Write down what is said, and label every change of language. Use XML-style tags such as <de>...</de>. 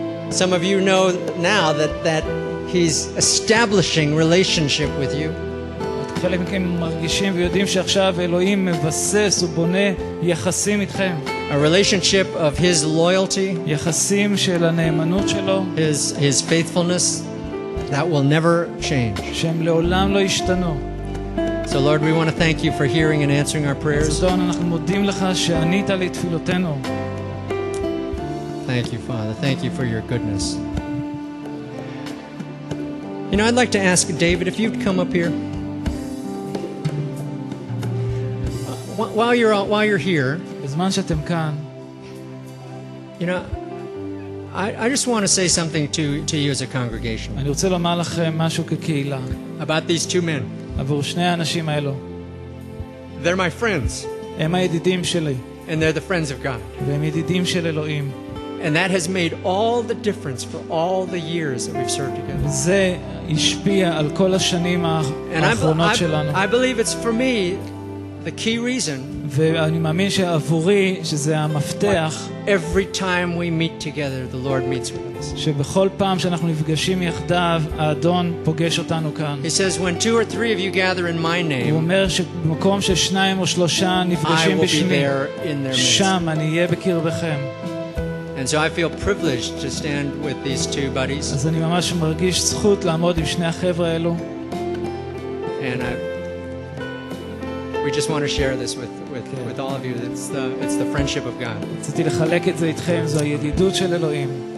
<en>Some of you know now that he's establishing relationship with you.</en> <he>חלק מכם מרגישים ויודעים שעכשיו אלוהים מבסס ובונה יחסים איתכם.</he> <en>A relationship of his loyalty.</en> <he>יחסים של הנאמנות שלו.</he> <en>His faithfulness that will never change.</en> <he>שהם לעולם לא ישתנו.</he> <en>So Lord, we want to thank you for hearing and answering our prayers.</en> <he>אדון, אנחנו מודים לך שענית לתפילותינו.</he> <en>Thank you, Father. Thank you for your goodness. You know, I'd like to ask David if you'd come up here. While you're here,</en> <he>בזמן שאתם כאן,</he> <en>you know, I just want to say something to you as a congregation.</en> <he>אני רוצה לומר לכם משהו כקהילה.</he> <en>About these two men.</en> <he>עבור שני האנשים האלו.</he> <en>They're my friends.</en> <he>הם הידידים שלי.</he> <en>And they're the friends of God.</en> <he>והם ידידים של אלוהים.</he> <en>And that has made all the difference for all the years that we've served together.</en> <he>זה השפיע על כל השנים האחרונות שלנו.</he> <en>I believe it's for me the key reason.</en> <he>ואני מאמין שעבורי שזה המפתח.</he> <en>Every time we meet together, the Lord meets with us.</en> <he>שבכל פעם שאנחנו נפגשים יחדיו, האדון פוגש אותנו כאן.</he> <en>He says, when two or three of you gather in my name,</en> <he>הוא אומר שבמקום ששניים או שלושה נפגשים בשמי, שם אני אהיה בקרבכם.</he> <en>And so I feel privileged to stand with these two buddies.</en> <he>אז אני ממש מרגיש זכות לעמוד עם שני החבר'ה האלו.</he> <en>And we just want to share this with all of you. It's the friendship of God.</en> <he>רציתי לחלק את זה איתכם, זו הידידות של אלוהים.</he>